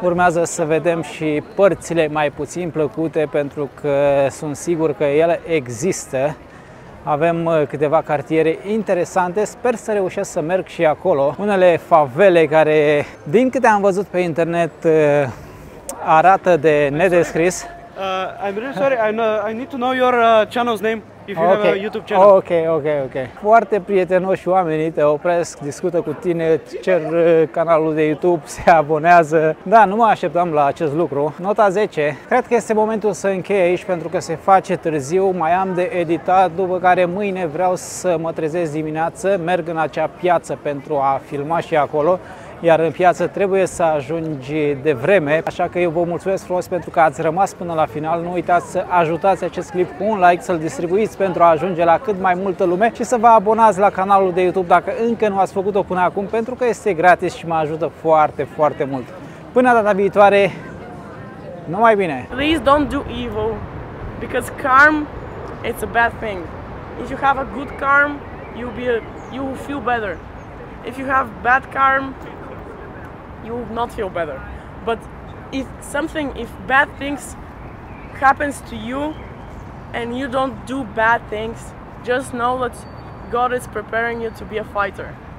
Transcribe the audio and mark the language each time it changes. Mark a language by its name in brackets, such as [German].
[Romanian] Urmează să vedem și părțile mai puțin plăcute, pentru că sunt sigur că ele există. Avem câteva cartiere interesante, sper să reușesc să merg și acolo. Unele favele care, din câte am văzut pe internet, arată de nedescris. [English] I'm really sorry, I need to know your channel's name. If you have a YouTube channel. Ok. [Romanian] Foarte prietenoși oamenii, te opresc, discută cu tine, cer canalul de YouTube, se abonează. Da, nu mă așteptam la acest lucru. Nota 10. Cred că este momentul să închei aici, pentru că se face târziu, mai am de editat, după care mâine vreau să mă trezesc dimineață, merg în acea piață pentru a filma și acolo. Iar în piață trebuie să ajungi de vreme, așa că eu vă mulțumesc frumos pentru că ați rămas până la final. Nu uitați să ajutați acest clip cu un like, să-l distribuiți pentru a ajunge la cât mai multă lume și să vă abonați la canalul de YouTube dacă încă nu ați făcut-o până acum, pentru că este gratis și mă ajută foarte, foarte mult. Până data viitoare, numai bine! [English] Please don't do evil, because karma is a bad thing. If you have a good karma, you will feel better. If you have bad karma, you will not feel better. But if bad things happens to you and you don't do bad things, just know that God is preparing you to be a fighter.